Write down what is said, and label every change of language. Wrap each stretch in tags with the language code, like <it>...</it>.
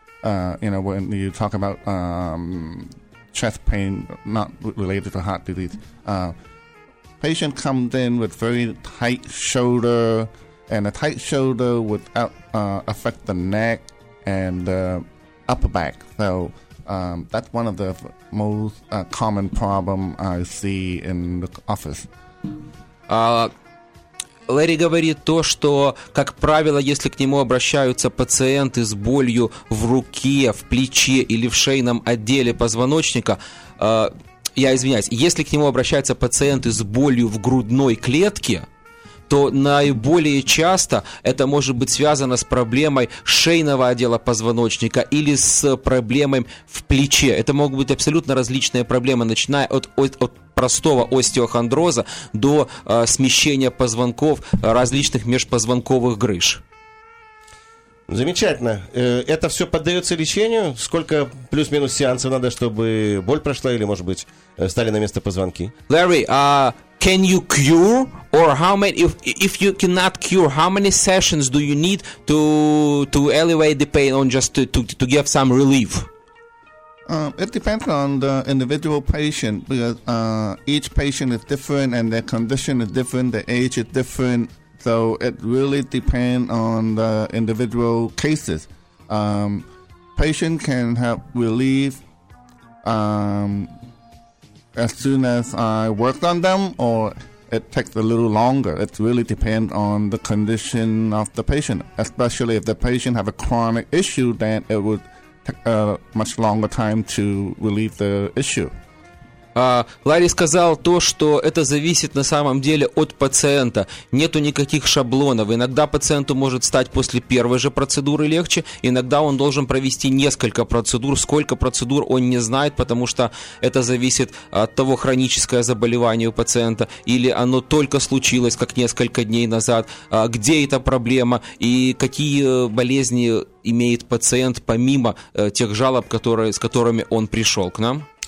<en>When you talk about chest pain not related to heart disease, patient comes in with very tight shoulder, and a tight shoulder would affect the neck and the upper back. So that's one of the most common problem I see in the office.</en> <ru>Лэри говорит то, что, как правило, если к нему обращаются пациенты с болью в руке, в плече или в шейном отделе позвоночника, если к нему обращаются пациенты с болью в грудной клетке, то наиболее часто это может быть связано с проблемой шейного отдела позвоночника или с проблемой в плече. Это могут быть абсолютно различные проблемы, начиная от простого остеохондроза до смещения позвонков, различных межпозвонковых грыж. Замечательно. Это все поддается лечению? Сколько плюс-минус сеансов надо, чтобы боль прошла или, может быть, стали на место позвонки?</ru> <en>Larry, can you cure, or how many? If you cannot cure, how many sessions do you need to elevate the pain on just to give some relief? It depends on the individual patient, because each patient is different and their condition is different, their age is different. So it really depends on the individual cases. Patient can have relief as soon as I worked on them, or it takes a little longer. It really depends on the condition of the patient, especially if the patient have a chronic issue, then it would take much longer time to relieve the issue.</en> <ru>Ларри сказал то, что это зависит на самом деле от пациента. Нету никаких шаблонов. Иногда пациенту может стать после первой же процедуры легче, иногда он должен провести несколько процедур. Сколько процедур, он не знает, потому что это зависит от того, хроническое заболевание у пациента, или оно только случилось, как несколько дней назад, где эта проблема и какие болезни имеет пациент, помимо тех жалоб, с которыми он пришел к нам.</ru>